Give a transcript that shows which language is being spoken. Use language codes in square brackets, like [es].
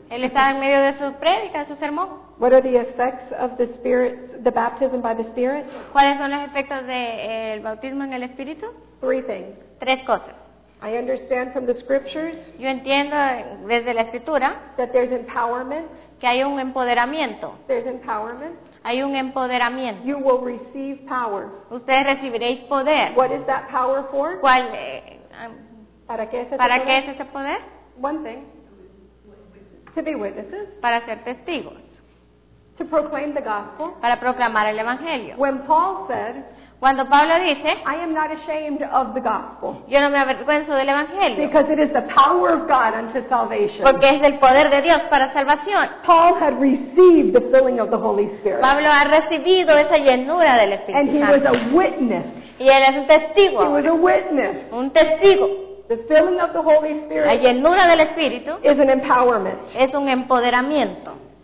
[es] Él estaba en medio de su prédica, su sermón. [en] What are the effects of the Spirit, the baptism by the Spirit? [es] ¿Cuáles son los efectos de el bautismo en el Espíritu? [en] Three things. [es] Tres cosas. [en] I understand from the scriptures. [es] Yo entiendo desde la escritura. [en] That there's empowerment. [es] Que hay un empoderamiento. [en] There's empowerment. [es] Hay un empoderamiento. [en] You will receive power. [es] Ustedes recibiréis poder. [en] What is that power for? [es] ¿Cuál, ¿para qué es ese para poder? Qué es ese poder? [en] One thing. To be witnesses. [es] Para ser testigos. [en] To proclaim the gospel. [es] Para proclamar el evangelio. [en] When Paul said. [es] Cuando Pablo dice, [en] I am not ashamed of the gospel. [es] Yo no me avergüenzo del evangelio. [en] Because it is the power of God unto salvation. [es] Porque es el poder de Dios para salvación. [en] Paul had received the filling of the Holy Spirit. [es] Pablo ha recibido esa llenura del Espíritu [en] And [es] Santo. [en] He was a witness. [es] Y él es un testigo. [en] He was a witness. [es] Un testigo. [en] The filling of the Holy Spirit. [es] La llenura del Espíritu. [en] Is an empowerment. [es] Es un empoderamiento.